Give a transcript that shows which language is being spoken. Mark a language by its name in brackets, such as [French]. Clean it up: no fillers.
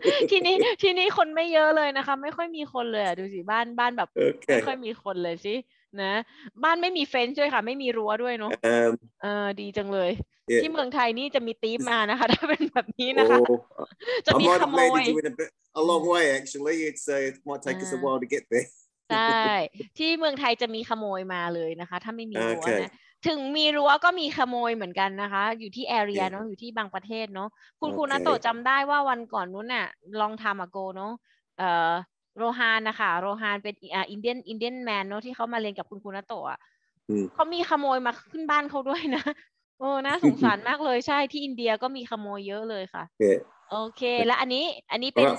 [Thai] ที่นี่คนไม่เยอะเลยนะคะไม่ค่อยมีคนเลยดูสิบ้านแบบ [English] okay. [Thai] ไม่ค่อยมีคนเลยสินะบ้านไม่มีเฟนซ์ด้วยค่ะไม่มีรั้วด้วยเนาะดีจังเลย [English] yeah. [Thai] ที่เมืองไทยนี่จะมีตีฟมานะคะถ้าเป็นแบบนี้นะคะ จะมีขโมย [English] a long way actually it's might take us a while to get there [Thai] ใช่ที่เมืองไทยจะมีขโมยมาเลยนะคะถ้าไม่มีรั้วนะถึงมีรั้วก็มีขโมยเหมือนกันนะคะอยู่ที่แอเรียเนาะอยู่ที่บางประเทศเนาะคุณนัทโตจำได้ว่าวันก่อนนู้นน่ะ [English] long time ago [Thai] เนาะโรฮานนะคะโรฮานเป็นอินเดียนแมนเนาะที่เขามาเรียนกับคุณนัทโตอ่ะเขามีขโมยมาขึ้นบ้านเขาด้วยนะโอ้น่าสงสารมากเลยใช่ที่อินเดียก็มีขโมยเยอะเลยค่ะโอเคแล้วอันนี้เป็น